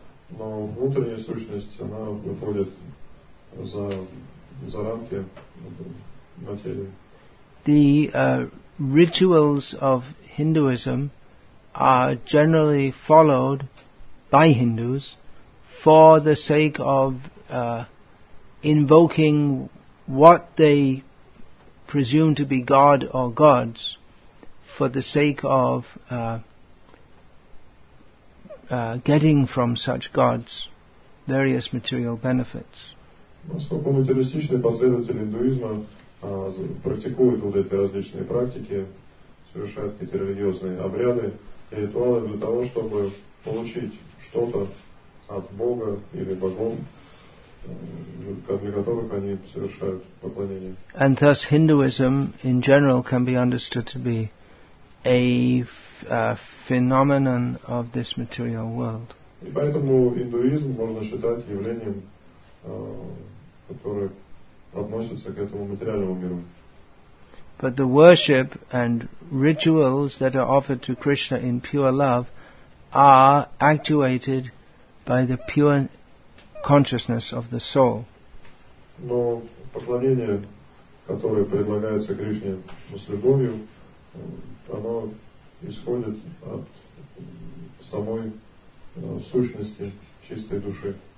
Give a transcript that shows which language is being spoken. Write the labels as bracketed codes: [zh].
[ru] Но внутренняя сущность, она выходит за рамки материи. [en] The rituals of Hinduism are generally followed by Hindus for the sake of invoking what they presume to be God or gods for the sake of getting from such gods various material benefits. [ru] Поскольку материалистичные последователи индуизма практикуют вот эти различные практики, совершают какие-то религиозные обряды и ритуалы для того, чтобы получить что-то от Бога или богов, для которых они совершают поклонение. [en] And thus Hinduism in general can be understood to be a phenomenon of this material world. [ru] И поэтому индуизм можно считать явлением, которое относятся к этому материальному миру. [en] But the worship and rituals that are offered to Krishna in pure love are actuated by the pure consciousness of the soul. [ru] Но поклонение, которое предлагается Кришне с любовью, оно исходит от самой сущности чистой души.